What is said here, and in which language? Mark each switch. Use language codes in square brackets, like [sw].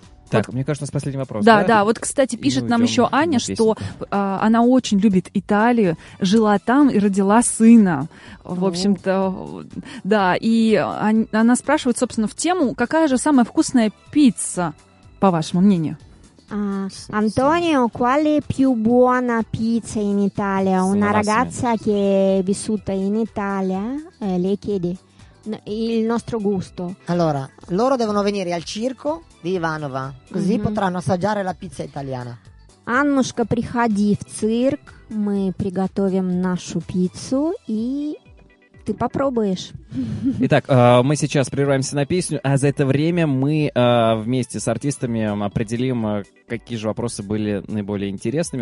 [ru] Так, вот, мне кажется, у нас последний вопрос. Да, да, да. Вот, кстати, пишет нам еще Аня, что она очень любит Италию, жила там и родила сына. В общем-то, да, и она спрашивает, собственно, в тему, какая же самая вкусная пицца, по вашему мнению? [it] Antonio, qual è più buona pizza in Italia? Una ragazza che è vissuta in Italia, le chiedi il nostro gusto. Allora, loro devono venire al circo di Ivanova, così potranno assaggiare la pizza italiana. [ru] Annushka, приходи в цирк, мы приготовим нашу пиццу и ты попробуешь. Итак, мы сейчас прерываемся на песню, а за это время мы вместе с артистами определим, какие же вопросы были наиболее интересными.